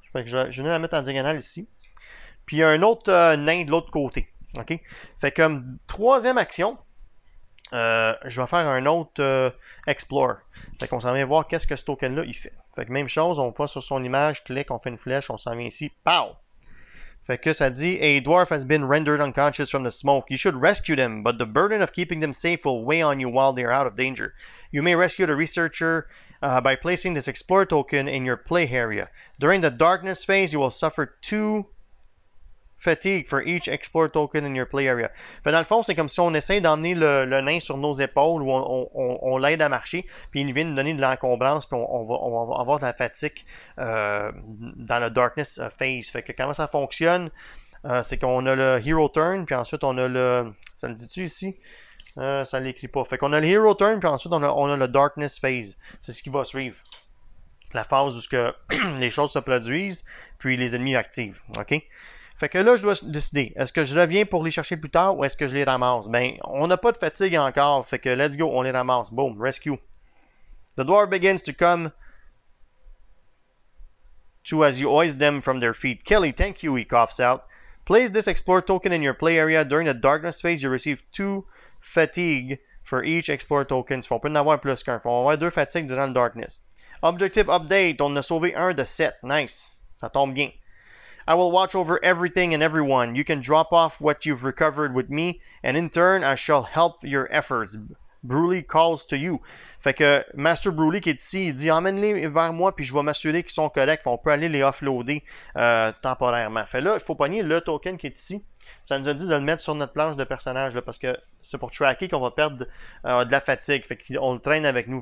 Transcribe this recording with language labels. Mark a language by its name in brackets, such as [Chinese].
[French] Fait que je vais la mettre en diagonale ici. Puis il y a un autre nain de l'autre côté. OK? Fait comme troisième action, je vais faire un autre explore. Fait qu'on s'en vient voir qu'est-ce que ce token-là, il fait. Fait que même chose, on passe sur son image, clic, on fait une flèche, on s'en vient ici, pow! Fait que ça dit, [English] a dwarf has been rendered unconscious from the smoke. You should rescue them, but the burden of keeping them safe will weigh on you while they are out of danger. You may rescue the researcher by placing this explore token in your play area. During the darkness phase, you will suffer two... fatigue for each explore token in your play area. [French] Fait dans le fond, c'est comme si on essaie d'emmener le nain sur nos épaules ou on l'aide à marcher, puis il vient nous donner de l'encombrance, puis on va avoir de la fatigue dans le darkness phase. Fait que comment ça fonctionne, c'est qu'on a le hero turn, puis ensuite on a le... Ça le dit-tu ici? Ça l'écrit pas. Fait qu'on a le hero turn, puis ensuite on a le darkness phase. C'est ce qui va suivre. La phase où ce que les choses se produisent, puis les ennemis activent. OK? Fait que là, je dois décider. Est-ce que je reviens pour les chercher plus tard ou est-ce que je les ramasse? Ben, on n'a pas de fatigue encore. Fait que [English] let's go, [French] on les ramasse. Boom, rescue. [English] The dwarf begins to come to as you hoist them from their feet. Kelly, thank you, he coughs out. Place this explore token in your play area. During the darkness phase, you receive two fatigue for each explore token. [French] Faut pas en avoir plus qu'un. Faut avoir deux fatigues durant le darkness. [English] Objective update, [French] on a sauvé un de sept. [English] Nice, [French] ça tombe bien. [English] I will watch over everything and everyone. You can drop off what you've recovered with me, and in turn, I shall help your efforts. Broly calls to you. [French] Fait que Master Broly qui est ici, il dit emmène-les vers moi, puis je vais m'assurer qu'ils sont corrects, qu'on peut aller les offloader temporairement. Fait là, il faut pogner le token qui est ici. Ça nous a dit de le mettre sur notre planche de personnage, là, parce que c'est pour tracker qu'on va perdre de la fatigue. Fait qu'on le traîne avec nous.